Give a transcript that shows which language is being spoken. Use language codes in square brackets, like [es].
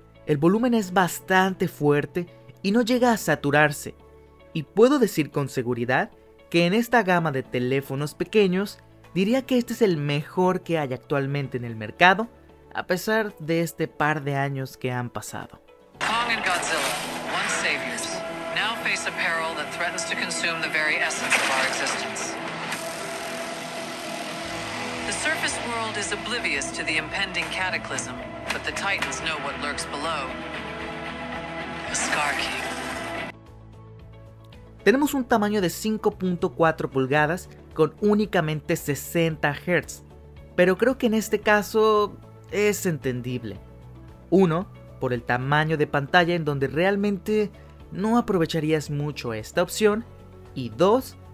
[es] El volumen es bastante fuerte y no llega a saturarse, y puedo decir con seguridad que en esta gama de teléfonos pequeños, diría que este es el mejor que hay actualmente en el mercado, a pesar de este par de años que han pasado. [en] Kong and Godzilla, once saviors, now face a peril that threatens to consume the very essence of our existence. The surface world is oblivious to the impending cataclysm, but the Titans know what lurks below. The Scar King. [es] Tenemos un tamaño de 5.4 pulgadas con únicamente 60 Hz, pero creo que en este caso es entendible. Uno, por el tamaño de pantalla en donde realmente no aprovecharías mucho esta opción, y dos,